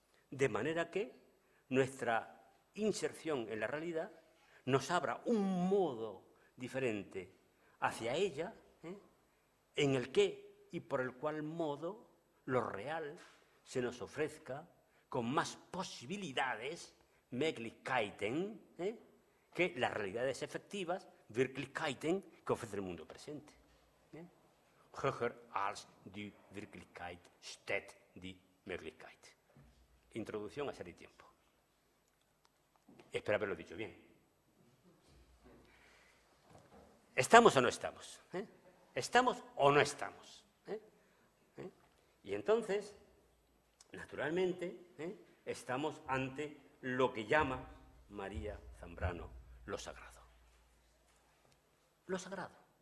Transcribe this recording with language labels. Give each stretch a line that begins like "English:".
Spanish: de manera que nuestra inserción en la realidad nos abra un modo diferente hacia ella, en el qué y por el cual modo lo real se nos ofrezca con más posibilidades, Möglichkeiten, que las realidades efectivas, Wirklichkeiten, que ofrece el mundo presente.
German: Höher als die Wirklichkeit steht die Möglichkeit.
Spanish: Introducción a ser y tiempo. Espero haberlo dicho bien. ¿Estamos o no estamos? ¿Estamos o no estamos? Y entonces, naturalmente, estamos ante lo que llama María Zambrano lo sagrado. Lo sagrado.